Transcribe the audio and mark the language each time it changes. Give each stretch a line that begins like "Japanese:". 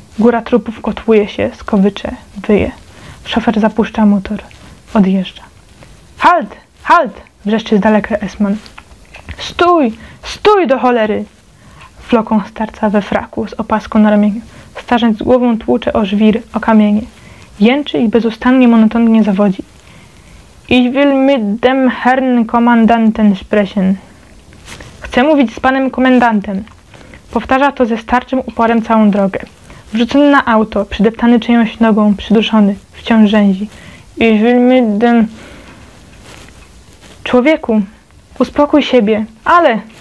Polish: Góra trupów kotłuje się, skowycze, wyje. Szofer zapuszcza motor, odjeżdża.
German: Halt! Halt!
Polish: Wrzeszczy z daleka Esman. Stój! Stój do cholery! Floką starca we fraku z opaską na ramieniu. Starzec z głową tłucze o żwir, o kamienie. Jęczy i bezustannie monotonnie zawodzi.
German: Ich will mit dem Herrn Kommandanten sprechen.
Polish: Chcę mówić z panem komendantem. Powtarza to ze starczym uporem całą drogę. Wrzucony na auto, przydeptany czyjąś nogą, przyduszony, wciąż rzęzi.
German: Ich will mit dem...
Polish: Człowieku, uspokój siebie, ale...